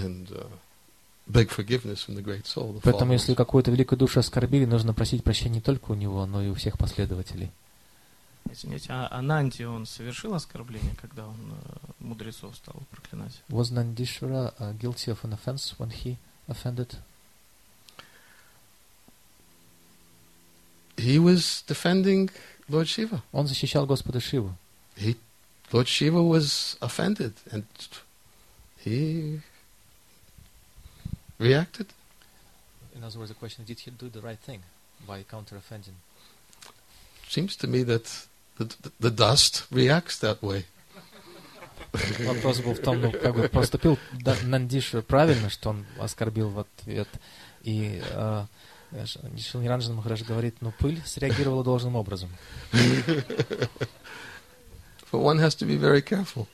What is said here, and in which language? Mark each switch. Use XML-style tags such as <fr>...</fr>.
<en>And beg forgiveness from the great soul, the followers.</en> <ru>Поэтому, если какую-то великую душу оскорбили, нужно просить прощения не только у него, но и у всех последователей. Извините, а Ананди, он совершил оскорбление, когда он мудрецов стал проклинать?</ru> <en>Was Nandishvara guilty of an offense when he offended? He was defending Lord Shiva.</en> <ru>Он защищал Господа Шиву.</ru> <en>Lord Shiva was offended, and he reacted. In other words, the question: did he do the right thing by counter-offending? Seems to me that the dust reacts that way.</en> <ru>Вопрос был в том, ну как бы поступил Нандишвара правильно, что он оскорбил в ответ и. Шрила Ниранджана Махарадж говорит, но пыль среагировала должным образом.</ru> <en>But one has to be very careful.</en>